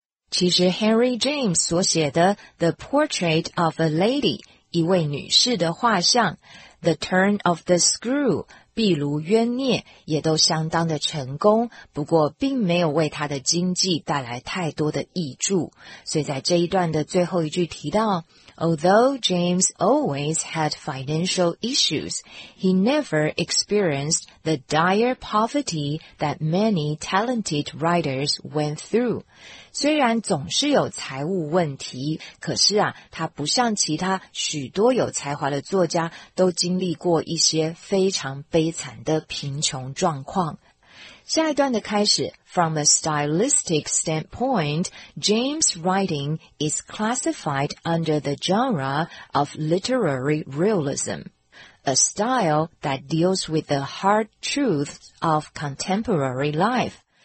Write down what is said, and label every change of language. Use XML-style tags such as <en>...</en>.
<zh>其实 Henry James 所写的 The Portrait of a Lady, 一位女士的画像 The Turn of the Screw, 壁炉冤孽也都相当的成功，不过并没有为她的经济带来太多的益助。所以在这一段的最后一句提到</zh> <en>Although James always had financial issues, he never experienced the dire poverty that many talented writers went through.</en> <zh>虽然总是有财务问题，可是啊，他不像其他许多有才华的作家都经历过一些非常悲惨的贫穷状况。下一段的开始</zh> <en>,From a stylistic standpoint, James' writing is classified under the genre of literary realism, a style that deals with the hard truths of contemporary life.</en>